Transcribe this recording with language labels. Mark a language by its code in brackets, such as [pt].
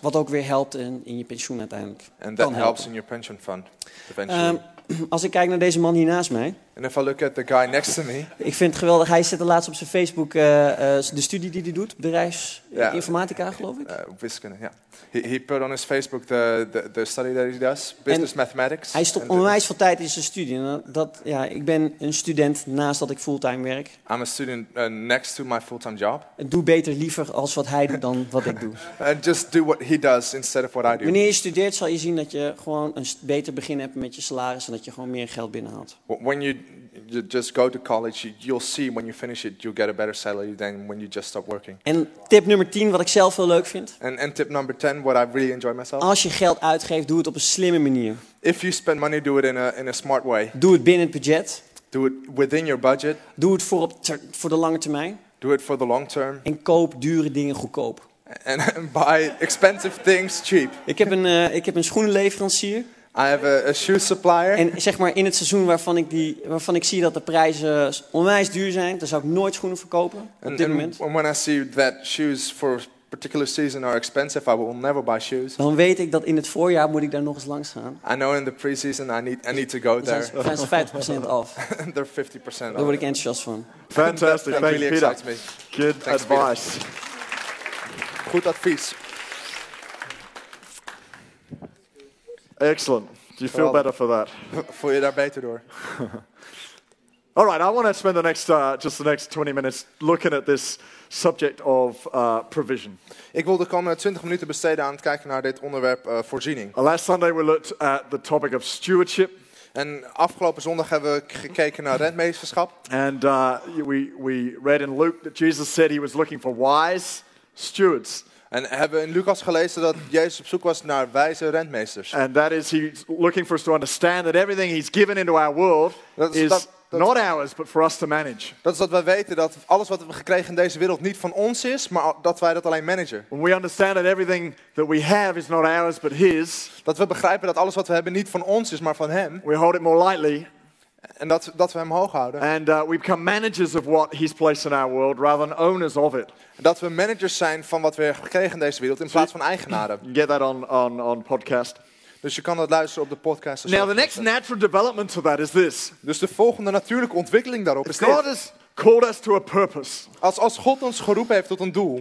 [nl] Wat ook weer helpt in je pensioen uiteindelijk. [en] And that helps in your pension fund eventually. [nl] Als ik kijk naar deze man hier naast mij. [en] And if I look at the guy next to me. [nl] Ik vind het geweldig. Hij zit laatst op zijn Facebook de studie die hij doet, bedrijfsinformatica, geloof ik. Wiskunde, ja. [en] He put on his Facebook the study that he does, business [nl] en [en] mathematics. [nl] Hij stopt onwijs veel tijd in zijn studie. Dat, ja, ik ben een student naast dat ik fulltime werk. [en] I'm a student next to my fulltime job. [nl] En doe beter liever als wat hij doet dan wat ik doe. [en] And just do what he does instead of what I do. [nl] Wanneer je studeert zal je zien dat je gewoon een beter begin hebt met je salaris en dat je gewoon meer geld binnenhaalt. [en] When you just go to college, you'll see when you finish it, you'll get a better salary than when you just stop working. [nl] En tip nummer 10, wat ik zelf heel leuk vind. [en] And tip number 10, what I really enjoy myself. [nl] Als je geld uitgeeft, doe het op een slimme manier. [en] If you spend money, do it in a smart way. [nl] Doe het binnen het budget. [en] Do it within your budget. [nl] Doe het voor de lange termijn. [en] Do it for the long term. [nl] En koop dure dingen goedkoop. [en] And buy expensive things cheap. [nl] Ik heb een schoenenleverancier. [en] I have a shoe supplier. [nl] En zeg maar in het seizoen waarvan ik zie dat de prijzen onwijs duur zijn, dan zou ik nooit schoenen verkopen op dit moment. [en] And when I see that shoes for particular season are expensive, I will never buy shoes. [nl] Dan weet ik dat in het voorjaar moet ik daar nog eens langs gaan. [en] I know in the pre-season I need to go there. [nl] Dan zijn ze 50% [en] off. They're 50% [nl] off. Daar word ik enthousiast van. [en] Fantastic, thank you, Peter. Good advice. [nl] Goed advies. [en] Excellent. Do you feel better for that? [nl] Voel je daar beter door? [en] All right, I want to spend the next just the next 20 minutes looking at this subject of provision. [nl] Ik wil de komende 20 minuten besteden aan het kijken naar dit onderwerp voorziening. [en] Last Sunday we looked at the topic of stewardship. [nl] En afgelopen zondag hebben we gekeken naar rentmeesterschap. [en] And we read in Luke that Jesus said he was looking for wise stewards. [nl] En hebben we in Lucas gelezen dat Jezus op zoek was naar wijze rentmeesters. [en] And that is he's looking for us to understand that everything he's given into our world is [nl] dat, [en] not ours, but for us to manage. [nl] Dat is dat wij weten dat alles wat we gekregen in deze wereld niet van ons is, maar dat wij dat alleen managen. [en] When we understand that everything that we have is not ours, but his. [nl] Dat we begrijpen dat alles wat we hebben niet van ons is, maar van hem. [en] We hold it more lightly. [nl] En dat we hem hoog houden. [en] And we become managers of what he's placed in our world, rather than owners of it. [nl] Dat we managers zijn van wat we gekregen in deze wereld, in plaats van eigenaren. [en] Get that on podcast. [nl] Dus je kan dat luisteren op de podcast. [en] Now the next natural development to that is this. [nl] Dus de volgende natuurlijke ontwikkeling daarop is [en] God Has called us to a purpose. [nl] Als God ons geroepen heeft tot een doel.